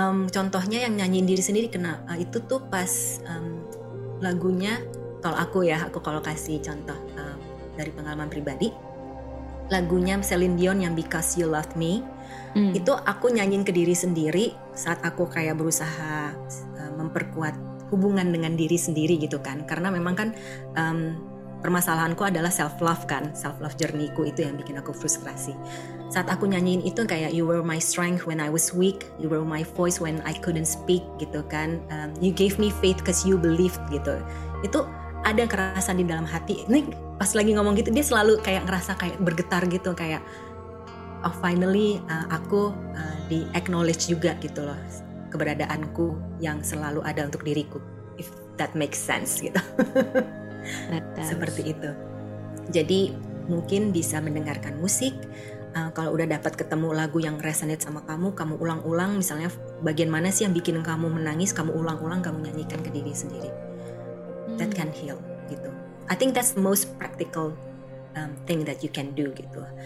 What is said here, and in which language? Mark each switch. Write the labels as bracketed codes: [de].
[id] Contohnya yang nyanyiin diri sendiri kena itu tuh pas lagunya, kalau aku ya, aku kalau kasih contoh dari pengalaman pribadi, lagunya Celine Dion yang Because You Loved Me, itu aku nyanyiin ke diri sendiri saat aku kayak berusaha memperkuat hubungan dengan diri sendiri gitu kan. Karena memang kan permasalahanku adalah self love kan, self love journey-ku itu yang bikin aku frustrasi. Saat aku nyanyiin itu kayak [en] you were my strength when I was weak, you were my voice when I couldn't speak gitu kan, you gave me faith cause you believed gitu. [id] Itu ada kerasa di dalam hati. Ini pas lagi ngomong gitu dia selalu kayak ngerasa kayak bergetar gitu, kayak oh finally aku di acknowledge juga gitu loh, keberadaanku yang selalu ada untuk diriku, [en] if that makes sense [id] gitu. Seperti itu. Jadi mungkin bisa mendengarkan musik. Kalau udah dapat ketemu lagu yang resonate sama kamu, kamu ulang-ulang, misalnya bagian mana sih yang bikin kamu menangis, kamu ulang-ulang, kamu nyanyikan ke diri sendiri. [en] That can heal gitu. I think that's the most practical thing that you can do gitu.